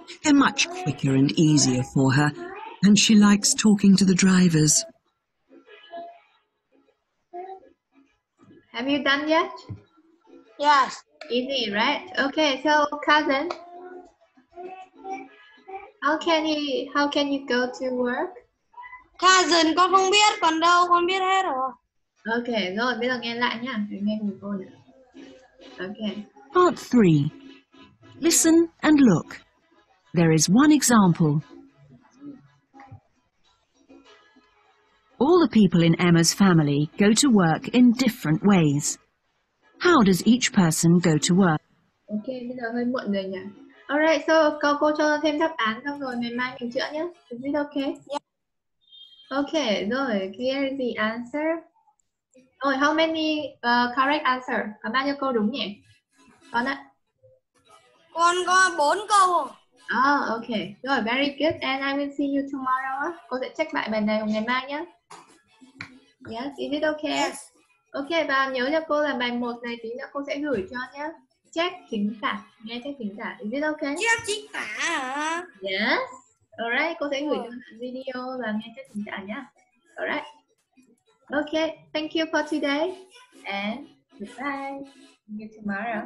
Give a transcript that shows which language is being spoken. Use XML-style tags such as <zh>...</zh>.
<en>They're much quicker and easier for her, and she likes talking to the drivers. Have you done yet? Yes. Easy, right? Okay, so cousin, how can he go to work?</en> <vi>Cousin, con không biết, còn đâu, con biết hết rồi. Okay, rồi, bây giờ nghe lại nha, nghe cùng cô nữa.</vi> <en>Okay. Part 3. Listen and look. There is one example. All the people in Emma's family go to work in different ways. How does each person go to work?</en> <vi>Okay, bây giờ hơi muộn rồi nhỉ?</vi> <en>All right, so</en> <vi>cô cho thêm đáp án xong rồi, ngày mai mình chữa nhé.</vi> <en>Is it okay? Yeah. Okay, rồi, clear the answer. Rồi, how many correct answer?</en> <vi>Có bao nhiêu câu đúng nhỉ? Con ạ? Con có 4 câu.</vi> <en>Oh, okay. Rồi, very good. And I will see you tomorrow.</en> <vi>Cô sẽ check lại bài này ngày mai nhé.</vi> <en>Yes, is it okay? Yes.</en> <vi>Okay, và nhớ cho cô là bài 1 này tí nữa cô sẽ gửi cho nhé. Check chính tả. Nghe check chính tả.</vi> <en>Is it okay?</en> <vi>Check chính tả.</vi> <en>Yes.</en> <vi>Alright, cô sẽ gửi cho video và nghe check chính tả nhé.</vi> <en>Alright. Okay, thank you for today. And goodbye. See you tomorrow.</en>